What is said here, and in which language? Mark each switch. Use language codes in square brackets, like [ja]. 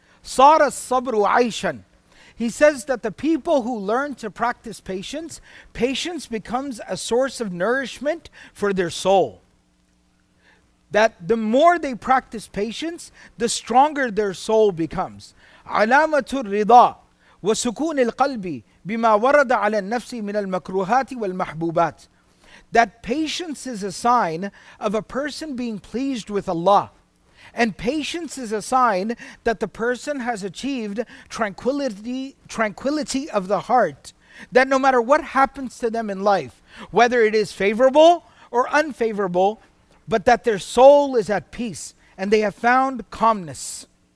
[ar] صار الصبر عيشا. [en] He says that the people who learn to practice patience, patience becomes a source of nourishment for their soul. That the more they practice patience, the stronger their soul becomes. [ar] علامة الرضا وسكون القلب بما ورد على النفس من المكروهات والمحبوبات. [en] That patience is a sign of a person being pleased with Allah. And patience is a sign that the person has achieved tranquility of the heart. That no matter what happens to them in life, whether it is favorable or unfavorable, but that their soul is at peace and they have found calmness.